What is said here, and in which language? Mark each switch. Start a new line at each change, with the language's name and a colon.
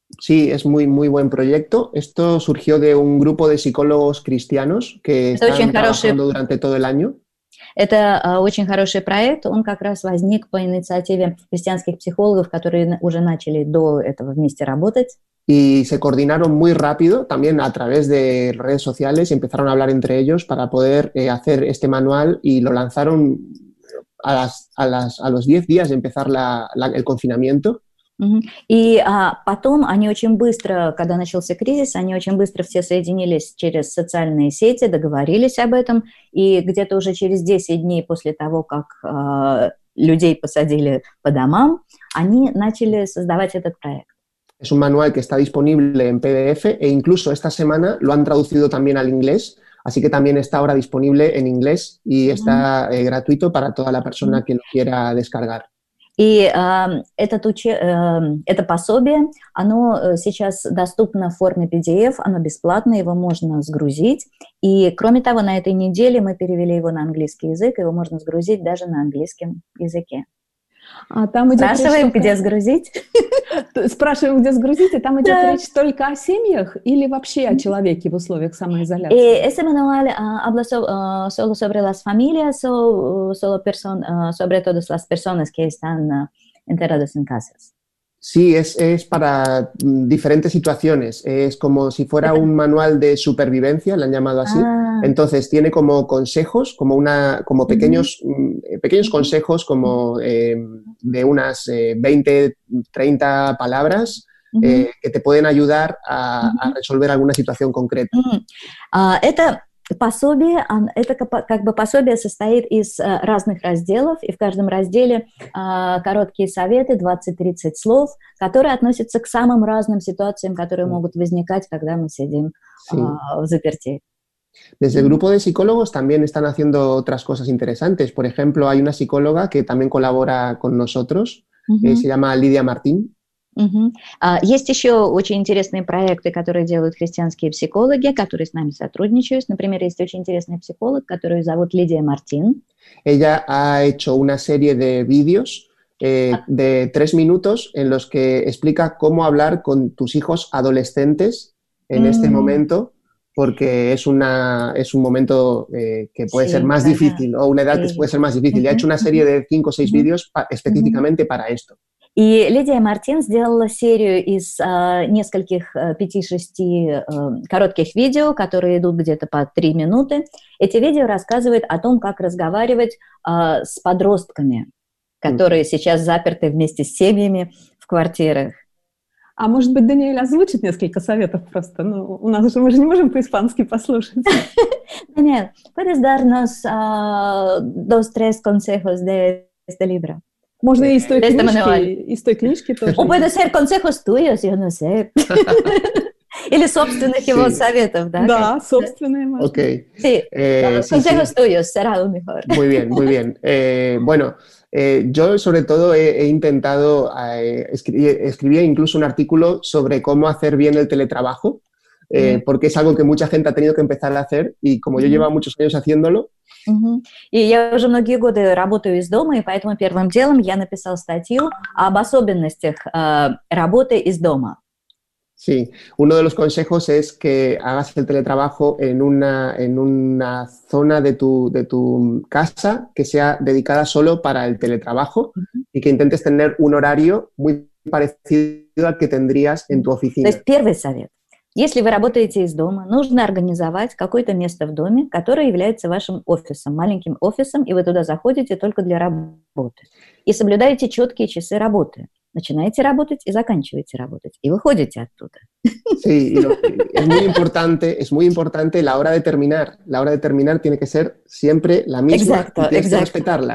Spanish: Sí, es muy, muy buen proyecto. Esto surgió de un grupo de psicólogos cristianos que están trabajando durante todo el año.
Russian: Это очень хороший проект. Он как раз возник по инициативе христианских психологов, которые уже начали до этого вместе работать.
Spanish: Y se coordinaron muy rápido, también a través de redes sociales, y empezaron a hablar entre ellos para poder hacer este manual, y lo lanzaron a los 10 días de empezar el confinamiento.
Russian: И потом они очень быстро, когда начался кризис, они очень быстро все соединились через социальные сети, договорились об этом, и где-то уже через 10 дней после того, как людей посадили по домам, они начали создавать этот проект.
Spanish: Es un manual que está disponible en PDF e incluso esta semana lo han traducido también al inglés, así que también está ahora disponible en inglés y está gratuito para toda la persona que lo quiera descargar.
Russian: И это пособие, оно сейчас доступно в форме PDF, оно бесплатное, его можно сгрузить. И кроме того, на этой неделе мы перевели его на английский язык, его можно сгрузить даже на английском языке. А там идет спрашиваем, где сгрузить. Спрашиваем, где сгрузить, и там идет речь только о семьях или вообще о человеке в условиях самоизоляции?
Spanish: Ese manual habla solo sobre las familias o solo sobre todas las personas que están enterradas en casas. Sí, es para diferentes situaciones. Es como si fuera un manual de supervivencia, le han llamado así. Entonces, tiene como consejos, como pequeños, pequeños consejos, como de unas 20, 30 palabras que te pueden ayudar a resolver alguna situación concreta.
Russian: Это Пособие, это как бы пособие состоит из разных разделов, и в каждом разделе короткие советы, 20-30 слов, которые относятся к самым разным ситуациям, которые могут возникать, когда мы сидим в заперти.
Spanish: Desde el grupo de psicólogos también están haciendo otras cosas interesantes. Por ejemplo, hay una psicóloga que también colabora con nosotros, se llama Lidia Martín.
Russian: Есть еще очень интересные проекты, которые делают христианские психологи, которые с нами сотрудничают. Например, есть очень интересный психолог, которую зовут Лидия Мартин.
Spanish: Ella ha hecho una serie de vídeos de 3 minutos en los que explica cómo hablar con tus hijos adolescentes en este momento, porque es un momento que puede ser más difícil, o una edad que puede ser más difícil. Ha hecho una serie de 5 o 6 vídeos específicamente para esto.
Russian: И Лидия Мартин сделала серию из нескольких 5-6 коротких видео, которые идут где-то по 3 минуты. Эти видео рассказывают о том, как разговаривать с подростками, которые сейчас заперты вместе с семьями в квартирах. А может быть, Даниэль озвучит несколько советов просто? Ну, у нас же мы же не можем по-испански послушать.
Spanish: Нет, puedes darnos dos, tres consejos de este libro.
Russian: Можно и из той книжки тоже. Он будет
Spanish: сэр консехос туйос, я не сэ.
Russian: Или собственных его советов, да? Да, собственные. Окей.
Spanish: Sí, consejos tuyos, será lo mejor. Muy bien, muy bien. Bueno, yo sobre todo he intentado, escribí incluso un artículo sobre cómo hacer bien el teletrabajo, porque es algo que mucha gente ha tenido que empezar a hacer y como yo llevo muchos años haciéndolo,
Russian: И я уже многие годы работаю из дома, и поэтому первым делом я написал статью об особенностях работы из дома.
Spanish: Sí, uno de los consejos es que hagas el teletrabajo en una zona de tu casa que sea dedicada solo para el teletrabajo y que intentes tener un horario muy parecido al que tendrías en tu oficina.
Russian: То есть первый совет. Если вы работаете из дома, нужно организовать какое-то место в доме, которое является вашим офисом, маленьким офисом, и вы туда заходите только для работы. И соблюдаете четкие часы работы. Начинаете работать и заканчиваете работать. И выходите оттуда.
Spanish: Sí, es muy importante la hora de terminar. La hora de terminar tiene que ser siempre la misma. Exacto, y tienes que respetarla.